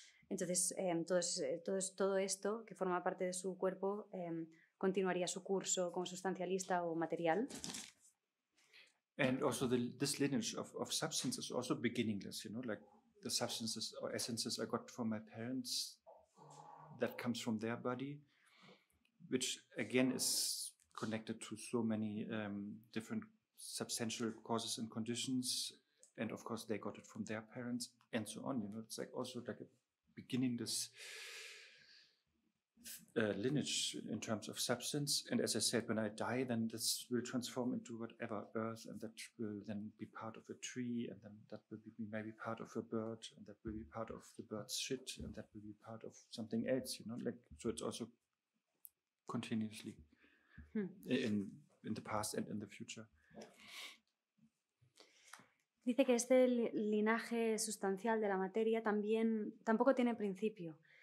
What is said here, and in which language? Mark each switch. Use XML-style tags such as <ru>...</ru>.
<es>Entonces, todo esto que forma parte de su cuerpo continuaría su curso como sustancialista o material.</es> <en>And also this lineage of substance is also beginningless, you know, like the substances or essences I got from my parents that comes from their body, which again is connected to so many different substantial causes and conditions, and of course they got it from their parents and so on, you know, it's like also like a beginningless lineage in terms of substance. And as I said, when I die, then this will transform into whatever, earth, and that will then be part of a tree, and then that will be maybe part of a bird, and that will be part of the bird's shit, and that will be part of something else, you know, like, so it's also continuously in the past and in the future.</en> <es>Dice que este linaje sustancial de la materia también tampoco tiene principio.</es>